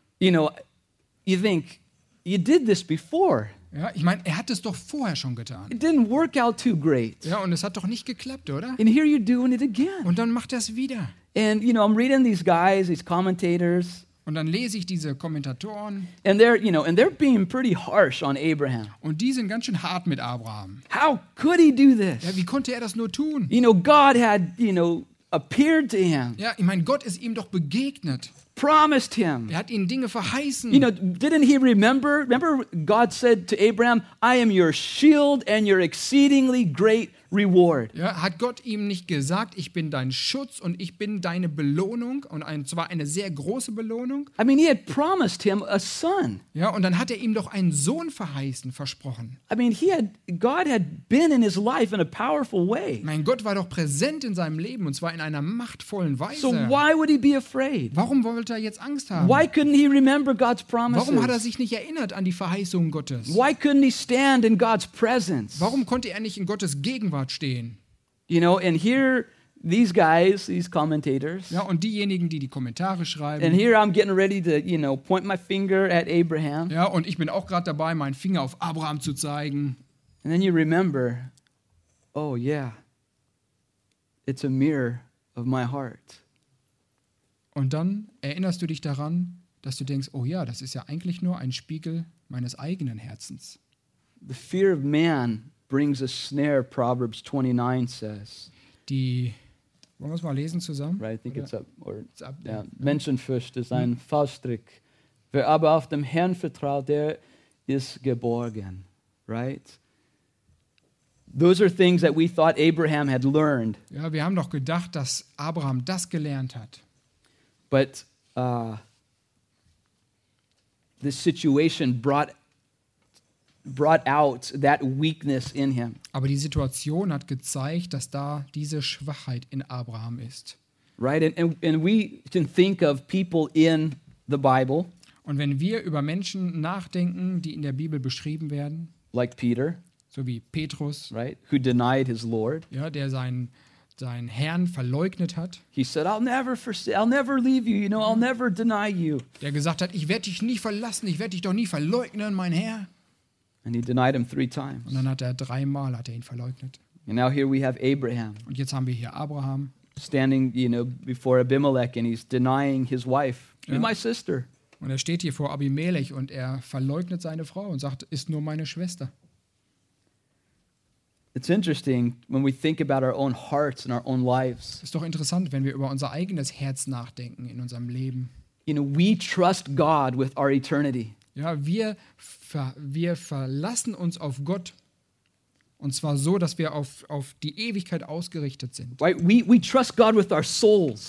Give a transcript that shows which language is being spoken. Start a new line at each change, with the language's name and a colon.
English: You know, you think, you did this before.
German: Ja, ich meine, er hat es doch vorher schon getan.
English: It didn't work out too great.
German: Ja, und es hat doch nicht geklappt, oder?
English: And here you're doing it again.
German: Und dann macht er es wieder.
English: And you know, I'm reading these guys, these commentators.
German: Und dann lese ich diese Kommentatoren.
English: And they're, you know, and they're being pretty harsh on Abraham.
German: Und die sind ganz schön hart mit Abraham.
English: How could he do this?
German: Ja, wie konnte er das nur tun?
English: You know, God had, you know, appeared to him.
German: Ja, ich meine, Gott ist ihm doch begegnet.
English: promised him.
German: Er hat ihnen Dinge verheißen.
English: You know, didn't he remember? Remember God said to Abraham, I am your shield and your exceedingly great reward.
German: Ja, hat Gott ihm nicht gesagt, ich bin dein Schutz und ich bin deine Belohnung und zwar eine sehr große Belohnung?
English: I mean, he had promised him a son.
German: Ja, und dann hat er ihm doch einen Sohn verheißen, versprochen.
English: I mean, God had been in his life in a powerful way.
German: Mein Gott war doch präsent in seinem Leben und zwar in einer machtvollen Weise.
English: So why would he be afraid?
German: Warum wollte er jetzt Angst haben?
English: Why couldn't he remember God's promises?
German: Warum hat er sich nicht erinnert an die Verheißungen Gottes?
English: Why couldn't he stand in God's presence?
German: Warum konnte er nicht in Gottes Gegenwart stehen?
English: You know, and here these guys, these commentators.
German: Ja, und diejenigen, die Kommentare schreiben.
English: And here I'm getting ready to, you know, point my finger at Abraham.
German: Ja, und ich bin auch gerade dabei, meinen Finger auf Abraham zu zeigen.
English: And then you remember, oh yeah, it's a mirror of my heart.
German: Und dann erinnerst du dich daran, dass du denkst, oh ja, das ist ja eigentlich nur ein Spiegel meines eigenen Herzens.
English: The fear of man brings a snare, Proverbs 29 says.
German: Die, wollen wir es mal lesen zusammen?
English: Right, I think it's up. Yeah.
German: Menschenfürst ist ein Faustrick. Wer aber auf dem Herrn vertraut, der ist geborgen.
English: Right? Those are things that we thought Abraham had learned.
German: Ja, wir haben doch gedacht, dass Abraham das gelernt hat.
English: But this situation brought out that weakness in him.
German: Aber die Situation hat gezeigt, dass da diese Schwachheit in Abraham ist.
English: Right, and we can think of people in the Bible.
German: Und wenn wir über Menschen nachdenken, die in der Bibel beschrieben werden,
English: like Peter,
German: so wie Petrus,
English: right, who denied his Lord.
German: Ja, der seinen Herrn verleugnet hat.
English: He said, I'll never leave you, you know, I'll never deny you.
German: Der gesagt hat, ich werde dich nie verlassen, ich werde dich doch nie verleugnen, mein Herr.
English: And he denied him 3 times.
German: Und dann hat er 3-mal hat er ihn verleugnet.
English: And now here we have Abraham.
German: Und jetzt haben wir hier Abraham.
English: Standing, you know, before Abimelech and he's denying his wife. You're my sister.
German: Und er steht hier vor Abimelech und er verleugnet seine Frau und sagt, ist nur meine Schwester.
English: It's interesting when we think about our own hearts and our own lives.
German: Ist doch interessant, wenn wir über unser eigenes Herz nachdenken in unserem Leben.
English: You know, we trust God with our eternity.
German: Ja, wir verlassen uns auf Gott und zwar so, dass wir auf die Ewigkeit ausgerichtet sind.
English: Right, we trust God with our souls.